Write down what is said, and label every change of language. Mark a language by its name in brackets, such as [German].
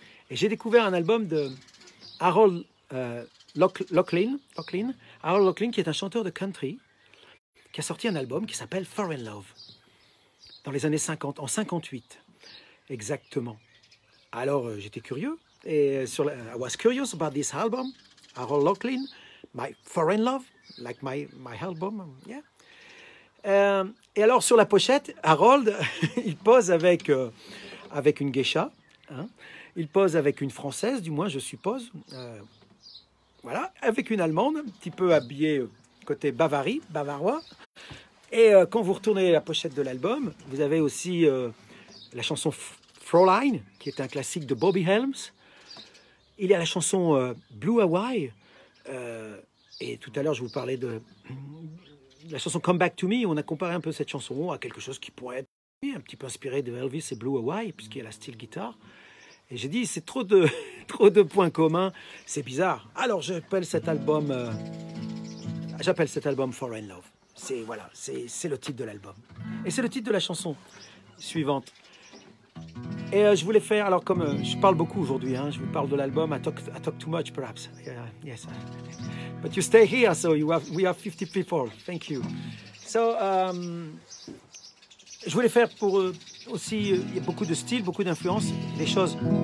[French] Et j'ai découvert un album de Harold Loughlin, qui est un chanteur de country, qui a sorti un album qui s'appelle Foreign Love, dans les années 50, en 58, exactement. Alors, j'étais curieux, [English] I was curious about this album, Harold Loughlin, My Foreign Love, like my album, yeah. [French] Et alors sur la pochette, Harold, il pose avec une geisha, hein. Il pose avec une française, du moins je suppose, voilà, avec une allemande, un petit peu habillée côté bavarois. Et quand vous retournez la pochette de l'album, vous avez aussi la chanson Fräulein, qui est un classique de Bobby Helms. Il y a la chanson Blue Hawaii, et tout à l'heure je vous parlais de la chanson Come Back to Me. On a comparé un peu cette chanson à quelque chose qui pourrait être un petit peu inspiré de Elvis et Blue Hawaii, puisqu'il y a la steel guitar. Et j'ai dit, c'est trop de points communs, c'est bizarre. Alors j'appelle cet album Foreign Love. C'est voilà, c'est le titre de l'album. Et c'est le titre de la chanson suivante. Et je voulais faire, alors comme je parle beaucoup aujourd'hui, hein, je vous parle de l'album, [English] I talk too much perhaps. Yes. But you stay here, so we have 50 people. Thank you. [French] So, je voulais faire pour eux aussi, il y a beaucoup de styles, beaucoup d'influences, des choses.